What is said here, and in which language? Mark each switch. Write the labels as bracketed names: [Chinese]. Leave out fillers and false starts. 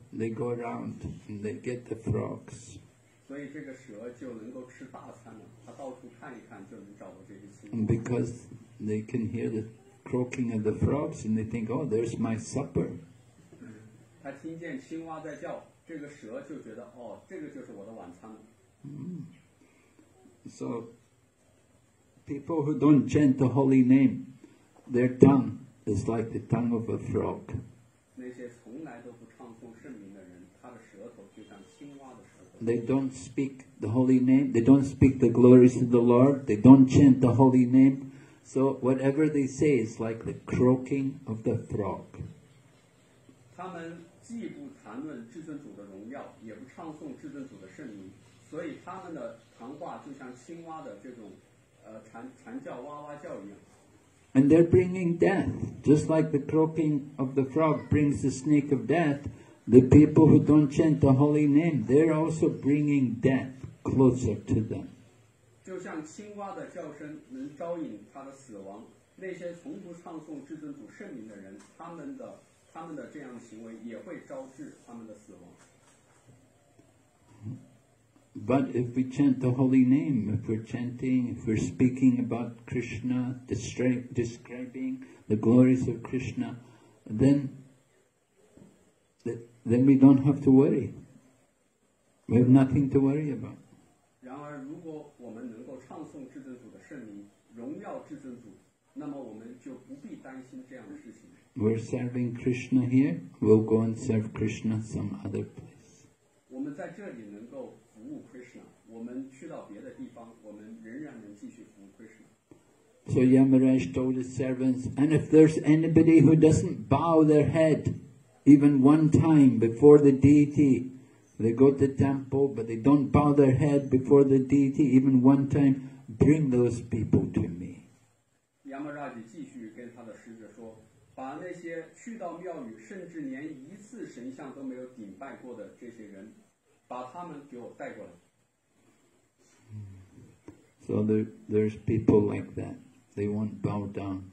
[English] They go around and they get the frogs. [Chinese] 所以这个蛇就能够吃大餐了，它到处看一看就能找到这些青蛙。 [English] And because they can hear the croaking of the frogs and they think, oh, there's my supper. [Chinese] 它听见青蛙在叫，这个蛇就觉得，哦，这个就是我的晚餐了。 [English] So, people who don't chant the holy name, their tongue is like the tongue of a frog. [Chinese] 那些从来都不唱诵圣名的人，他的舌头就像青蛙的舌头。 [English] They don't speak the holy name. They don't speak the glories of the Lord. They don't chant the holy name. So whatever they say is like the croaking of the frog. [Chinese] 他们既不谈论至尊主的荣耀，也不唱诵至尊主的圣名，所以他们的谈话就像青蛙的这种，禅叫哇哇叫一样。 [English] And they're bringing death, just like the croaking of the frog brings the snake of death. The people who don't chant the holy name, they're also bringing death closer to them. [Chinese] 就像青蛙的叫声能招引他的死亡，那些从不唱诵至尊主圣名的人，他们的这样的行为也会招致他们的死亡。 [English] But if we chant the holy name, if we're chanting, if we're speaking about Krishna, describing the glories of Krishna, then we don't have to worry. We have nothing to worry about. [Chinese] 然而，如果我们能够唱诵至尊主的圣名，荣耀至尊主，那么我们就不必担心这样的事情。 [English] We're serving Krishna here. We'll go and serve Krishna some other place. [Chinese] 我们在这里能够服务 Krishna， 我们去到别的地方，我们仍然能继续服务 Krishna。 [English] So Yamaraj told his servants, and if there's anybody who doesn't bow their head even one time before the deity, they go to the temple but they don't bow their head before the deity even one time, bring those people to me。 [Chinese] Yamaraj 继续跟他的使者说，把那些去到庙宇甚至连一次神像都没有顶拜过的这些人。把他们给我带过来。 [English] So there's people like that. They won't bow down.